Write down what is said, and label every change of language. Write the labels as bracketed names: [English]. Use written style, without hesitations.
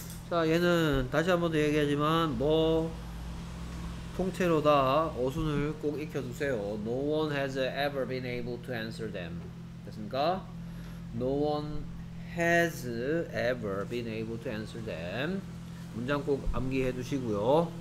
[Korean] 자, 얘는 다시 한번 더 얘기하지만 뭐. 통째로 다 어순을 꼭 익혀두세요. [English] No one has ever been able to answer them. [Korean] 됐습니까? [English] No one has ever been able to answer them. [Korean] 문장 꼭 암기해 두시고요.